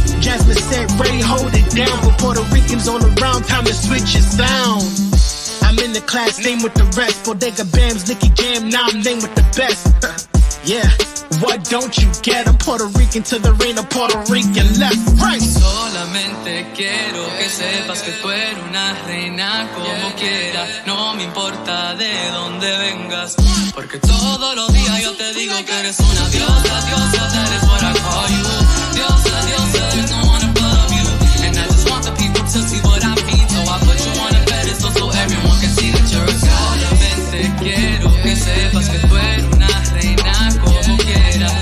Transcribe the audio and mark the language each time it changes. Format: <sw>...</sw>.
<en>Jasmine said, Ray, hold it down, for Puerto Ricans all around, time to switch your sound. I'm in the class, name with the rest. Bodega Bams, Nicky Jam, now I'm name with the best. Yeah, what don't you get? I'm Puerto Rican to the rain, I'm Puerto Rican left, right.</en> <es>Solamente quiero que sepas que tú eres una reina como quiera. No me importa de dónde vengas, porque todos los días yo te digo que eres una diosa, diosa,</es> <en>that is what I call you.</en> <es>Diosa, diosa,</es> <en>there's no one above you. And I just want the people to see what I mean. So I put you on a pedestal so everyone can see that you're a god.</en> <es>Solamente quiero que sepas que tú eres una reina como quiera.</es>